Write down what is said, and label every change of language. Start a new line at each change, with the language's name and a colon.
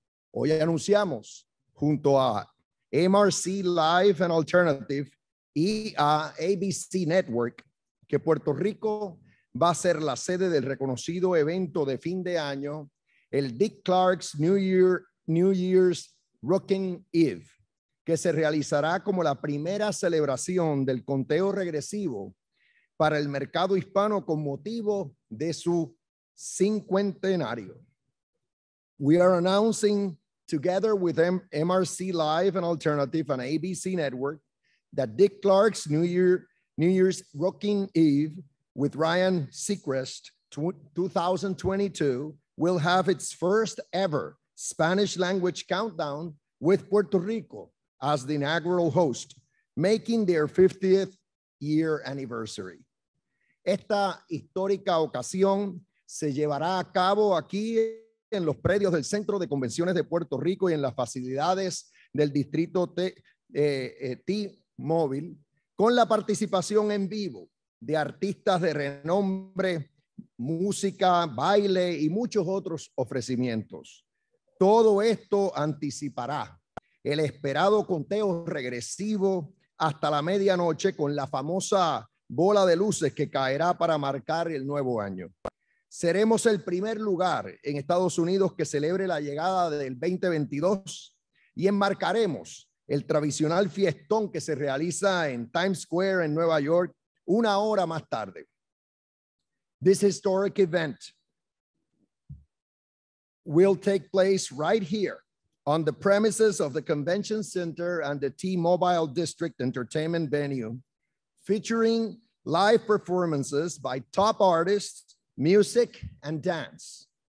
Spanish: Hoy anunciamos, junto a MRC Live and Alternative y a ABC Network, que Puerto Rico va a ser la sede del reconocido evento de fin de año, el Dick Clark's New Year's Rockin' Eve, que se realizará como la primera celebración del conteo regresivo para el mercado hispano con motivo de su cincuentenario.
English: We are announcing, together with MRC Live and Alternative and ABC Network, that Dick Clark's New Year's Rockin' Eve with Ryan Seacrest 2022 will have its first ever Spanish language countdown with Puerto Rico as the inaugural host, making their 50th year anniversary.
Spanish: Esta histórica ocasión se llevará a cabo aquí en los predios del Centro de Convenciones de Puerto Rico y en las facilidades del Distrito T-Mobile, con la participación en vivo de artistas de renombre, música, baile y muchos otros ofrecimientos. Todo esto anticipará el esperado conteo regresivo hasta la medianoche con la famosa bola de luces que caerá para marcar el nuevo año. Seremos el primer lugar en Estados Unidos que celebre la llegada del 2022 y enmarcaremos el tradicional fiestón que se realiza en Times Square en Nueva York una hora más tarde.
English: This historic event will take place right here on the premises of the Convention Center and the T-Mobile District Entertainment Venue, featuring live performances by top artists, music, and dance.